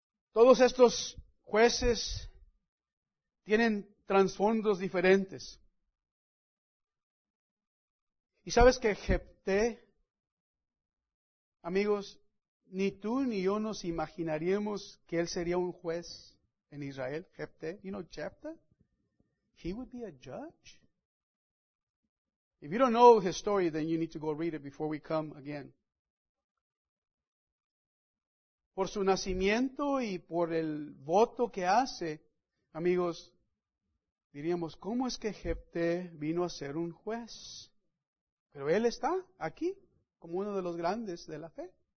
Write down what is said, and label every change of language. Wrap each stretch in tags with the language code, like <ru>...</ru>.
<es>Todos estos jueces tienen trasfondos diferentes. ¿Y sabes que Jefté, amigos, ni tú ni yo nos imaginaríamos que él sería un juez en Israel?</es> <en>Jefté, you know Jephthé? He would be a judge? If you don't know his story, then you need to go read it before we come again.</en> <es>Por su nacimiento y por el voto que hace, amigos, diríamos, ¿cómo es que Jefté vino a ser un juez? Pero él está aquí, como uno de los grandes de la fe.</es>